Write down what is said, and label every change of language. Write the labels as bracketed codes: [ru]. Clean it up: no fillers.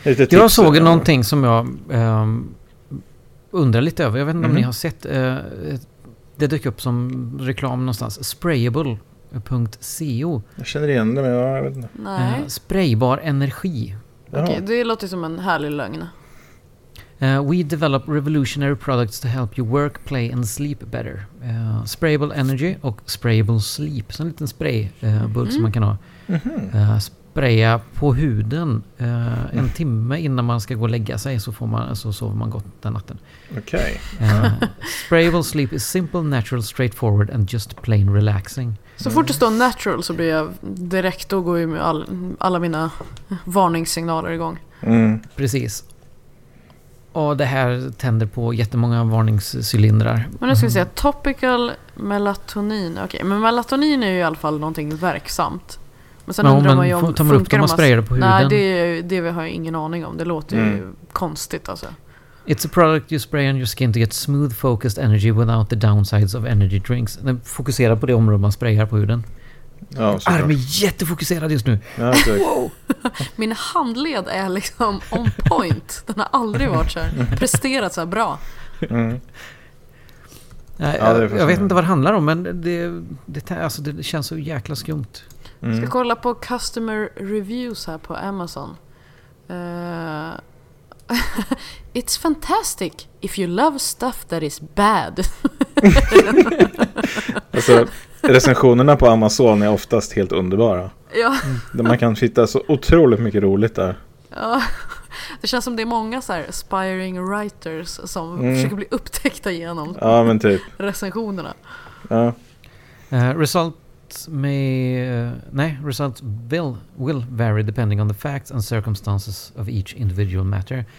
[sv] Jag såg någonting som jag undrar lite över. Jag vet inte om ni har sett det dyker upp som reklam någonstans. Sprayable.co. Jag känner igen det, men jag vet inte. Nej. Spraybar energi. Okej, det låter som en härlig lögn. [en] We develop revolutionary products to help you work, play and sleep better. [sv] Sprayable energy och sprayable sleep. Så en liten spraybulk som man kan ha. Spraya på huden en timme innan man ska gå och lägga sig, så får man, så sover man gott den natten. Okej. [en] Sprayable sleep is simple, natural, straightforward and just plain relaxing. [sv] Så fort det står natural så blir jag direkt, och går ju med alla mina varningssignaler igång. Precis. Och det här tänder på jättemånga varningscylindrar. Men nu ska vi säga topical melatonin. Okej, men melatonin är ju i alla fall någonting verksamt. Men sen undrar man ju om tar man upp dem och sprayar det på huden. Nej, det har jag ingen aning om. Det låter ju konstigt alltså. [en] It's a product you spray on your skin to get smooth focused energy without the downsides of energy drinks. [sv] Den fokuserar på det område man sprayar på huden. Ja, arm är jättefokuserad just nu. Wow. Min handled är liksom on point. Den har aldrig varit så här, presterat så här bra. Jag vet inte vad det handlar om, men alltså, det känns så jäkla skumt. Ska kolla på customer reviews här på Amazon. [en] It's fantastic if you love stuff that is bad. [sv] Alltså, recensionerna på Amazon är oftast helt underbara. Ja. Man kan hitta så otroligt mycket roligt där. Ja. Det känns som det är många så här aspiring writers som försöker bli upptäckta genom recensionerna. Ja. [en] Results will vary depending on the facts and circumstances of each individual matter.